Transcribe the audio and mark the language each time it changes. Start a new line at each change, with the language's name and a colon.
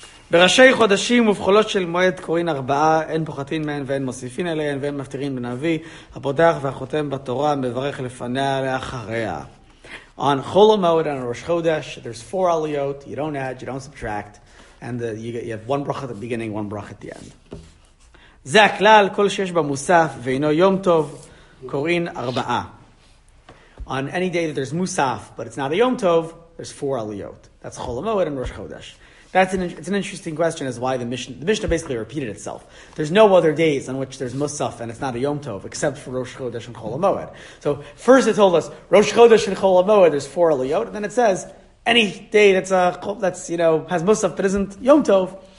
Hebrew: בראשי חודשים ובחולות של מועד קוראין ארבעה, אין פוחתין מהן ואין מוסיפין אליהן, ואין מפטירין בנביא, הפותח והחותם בתורה, מברך לפניה לאחריה.
English: On Chol HaMoed, on Rosh Chodesh, there's four aliyot, you don't add, you don't subtract, and you have one bracha at the beginning, one bracha at the end.
Hebrew: זה הכלל, כל שיש במוסף, ואינו יום טוב, קוראין ארבעה.
English: On any day that there's מוסף, but it's not a יום טוב, there's four aliyot. That's Chol HaMoed and Rosh Chodesh. It's an interesting question as why the Mishnah basically repeated itself. There's no other days on which there's Musaf and it's not a Yom Tov except for Rosh Chodesh and Chol HaMoed. So first it told us Rosh Chodesh and Chol HaMoed, there's four aliyot, and then it says any day that has Musaf but isn't Yom Tov.